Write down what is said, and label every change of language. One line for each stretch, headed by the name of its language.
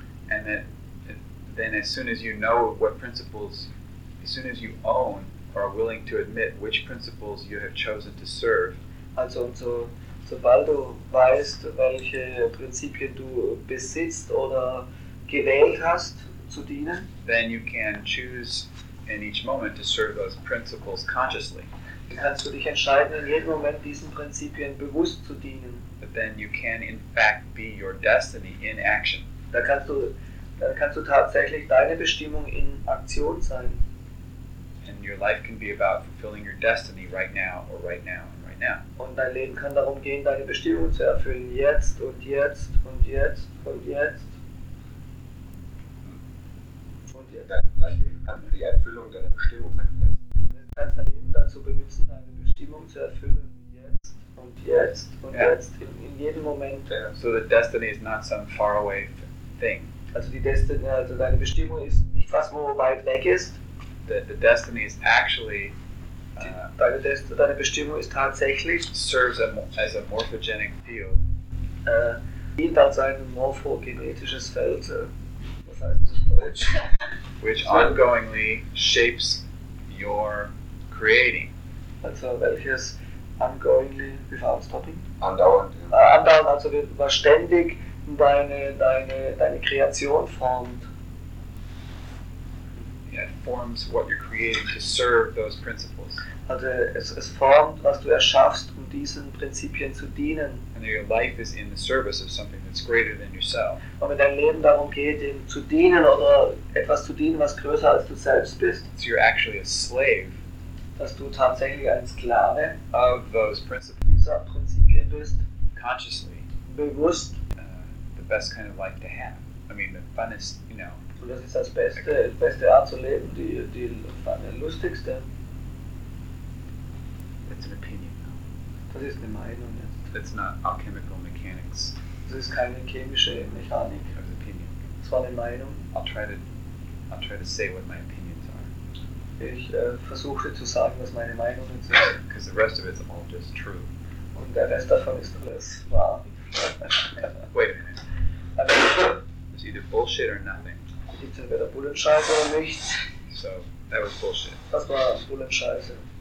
English: And then as soon as you know what principles, as soon as you own or are willing to admit which principles you have chosen to serve.
German: Also sobald du weißt, welche Prinzipien du besitzt oder gewählt hast zu dienen,
English: then you can choose in each moment to serve those principles consciously.
German: Kannst du dich entscheiden, in jedem Moment diesen Prinzipien bewusst zu dienen.
English: But then you can in fact be your destiny in action.
German: Da kannst du tatsächlich deine Bestimmung in Aktion sein.
English: And your life can be about fulfilling your destiny right now or right now and right now.
German: Und dein Leben kann darum gehen, deine Bestimmung zu erfüllen, jetzt und jetzt und jetzt und jetzt. Und ja, dein Leben kann die Erfüllung deiner Bestimmung sein. Kannst dein Leben dazu benutzen, deine Bestimmung zu erfüllen, jetzt und jetzt und jetzt, in jedem Moment.
English: Yeah. So the destiny is not some far away thing.
German: Also die Destiny, also deine Bestimmung ist nicht was, wo weit weg ist.
English: The destiny is actually
German: deine Bestimmung ist tatsächlich
English: serves as a morphogenic field.
German: Dient als ein morphogenetisches Feld. Was heißt das in Deutsch?
English: Which ongoingly shapes your creating.
German: Also welches ongoingly, wie war das Topic? Andauernd. Andauernd, also was ständig deine Kreation formt.
English: Yeah, it forms what you're creating to serve those principles.
German: Also es formt, was du erschaffst, um diesen Prinzipien zu dienen.
English: And your life is in the service of something that's greater than yourself.
German: Und wenn dein Leben darum geht, ihm zu dienen oder etwas zu dienen, was größer als du selbst bist.
English: So you're actually a slave.
German: Dass du tatsächlich ein Sklave
English: of those principles.
German: Dieser Prinzipien bist.
English: Consciously.
German: Bewusst.
English: The best kind of life to have. I mean, the funnest, you know.
German: Und das ist das beste Art zu leben, die lustigste.
English: It's an opinion.
German: Das ist eine Meinung.
English: It's not alchemical mechanics.
German: Das ist keine chemische Mechanik.
English: It's an opinion.
German: Das war eine Meinung.
English: I'll try to say what my opinions are.
German: Ich versuche zu sagen, was meine Meinung ist.
English: Because the rest of it's all just true.
German: Und der Rest davon ist alles wahr.
English: Wait a minute. It's either bullshit or nothing.
German: Es gibt entweder Bullenscheiße oder nichts.
English: So, that was bullshit.
German: Das war Bullenscheiße.